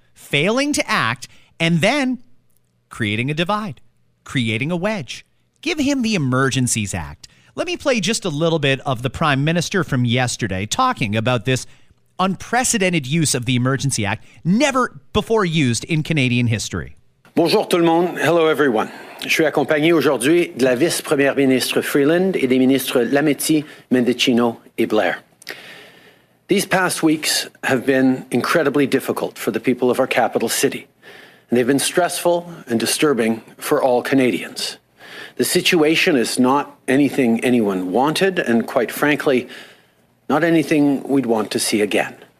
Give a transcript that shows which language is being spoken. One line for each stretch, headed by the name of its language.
English: failing to act, and then creating a divide, creating a wedge. Give him the Emergencies Act. Let me play just a little bit of the Prime Minister from yesterday talking about this unprecedented use of the Emergency Act, never before used in Canadian history.
French: Bonjour tout le monde. Hello everyone. Je suis accompagné aujourd'hui de la vice-première ministre Freeland et des ministres Lametti, Mendicino et Blair.
English: These past weeks have been incredibly difficult for the people of our capital city, and they've been stressful and disturbing for all Canadians. The situation is not anything anyone wanted, and quite frankly, not anything we'd want to see again.